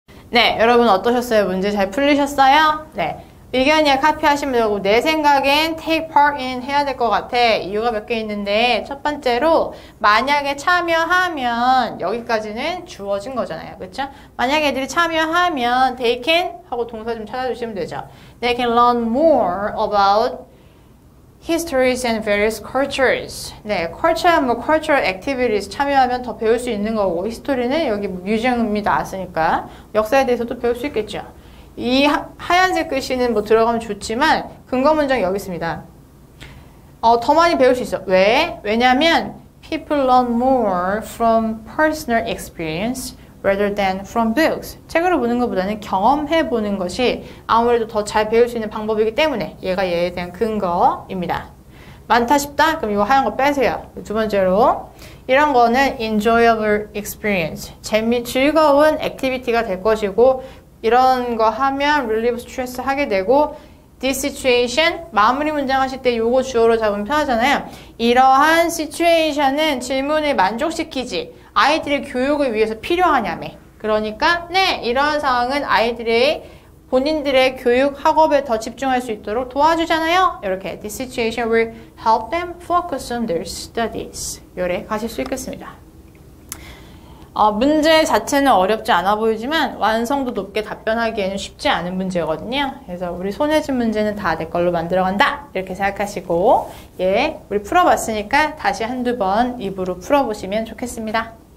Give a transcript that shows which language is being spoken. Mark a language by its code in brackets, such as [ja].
[ko] 네, 여러분 어떠셨어요? 문제 잘 풀리셨어요? 네, 의견이야 카피하시면 되고 내 생각엔 take part in 해야 될것 같아. 이유가 몇개 있는데 첫 번째로 만약에 참여하면 여기까지는 주어진 거잖아요, 그렇죠? 만약에 애들이 참여하면 they can 하고 동사 좀 찾아주시면 되죠. [en] They can learn more about histories and various cultures. [ko] 네, culture 뭐 cultural activities 참여하면 더 배울 수 있는 거고, 히스토리는 여기 뮤지엄이 나왔으니까 역사에 대해서도 배울 수 있겠죠. 이 하얀색 글씨는 뭐 들어가면 좋지만 근거 문장이 여기 있습니다. 더 많이 배울 수 있어. 왜? 왜냐면 [en] people learn more from personal experience rather than from books. [ko] 책으로 보는 것보다는 경험해 보는 것이 아무래도 더잘 배울 수 있는 방법이기 때문에 얘가 얘에 대한 근거입니다. 많다 싶다? 그럼 이거 하얀 거 빼세요. 두 번째로. 이런 거는 enjoyable experience. 즐거운 activity가 될 것이고, 이런 거 하면 relieve stress 하게 되고, this situation, 마무리 문장 하실 때 요거 주어로 잡으면 편하잖아요. 이러한 situation은 질문을 만족시키지. 아이들의 교육을 위해서 필요하냐며. 그러니까, 네, 이러한 상황은 아이들의 본인들의 교육 학업에 더 집중할 수 있도록 도와주잖아요. 이렇게 [en] this situation will help them focus on their studies. [ko] 요래 가실 수 있겠습니다. 문제 자체는 어렵지 않아 보이지만 완성도 높게 답변하기에는 쉽지 않은 문제거든요. 그래서 우리 손해준 문제는 다 내 걸로 만들어 간다 이렇게 생각하시고 예, 우리 풀어봤으니까 다시 한두 번 입으로 풀어보시면 좋겠습니다.